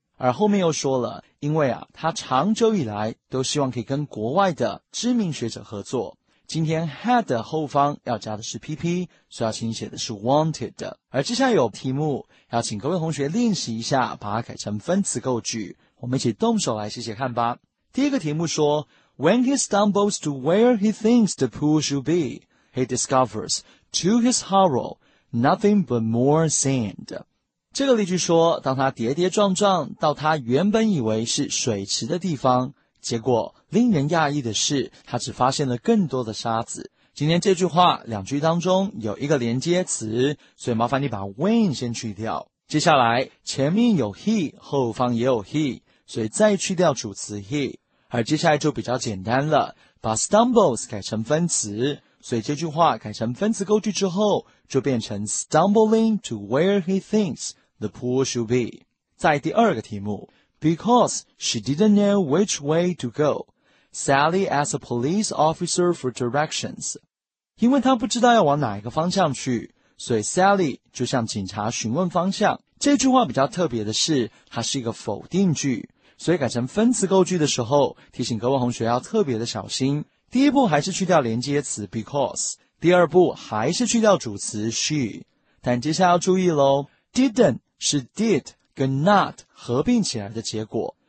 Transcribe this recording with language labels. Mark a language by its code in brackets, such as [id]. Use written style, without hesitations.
[zh] 而后面又说了，因为啊，他长久以来都希望可以跟国外的知名学者合作。今天 had 的后方要加的是 pp， 所以要请你写的是 wanted。而接下来有题目要请各位同学练习一下，把它改成分词构句，我们一起动手来写写看吧。第一个题目说， [en] When he stumbles to where he thinks the pool should be, he discovers, to his horror, nothing but more sand. [zh] 这个例句说，当他跌跌撞撞到他原本以为是水池的地方，结果令人讶异的是，他只发现了更多的沙子。今天这句话两句当中有一个连接词，所以麻烦你把 when 先去掉。接下来前面有 he， 后方也有 he， 所以再去掉主词 he。而接下来就比较简单了，把 stumbles 改成分词，所以这句话改成分词构句之后，就变成 [en] stumbling to where he thinks the pool should be。 [zh] 在第二个题目， [en] Because she didn't know which way to go, Sally asked a police officer for directions. [zh] 因为她不知道要往哪一个方向去，所以 Sally 就向警察询问方向。这句话比较特别的是，它是一个否定句，所以改成分词构句的时候，提醒各位同学要特别的小心。第一步还是去掉连接词 because， 第二步还是去掉主词 she， 但接下来要注意咯， didn't 是 did 跟 not 合并起来的结果。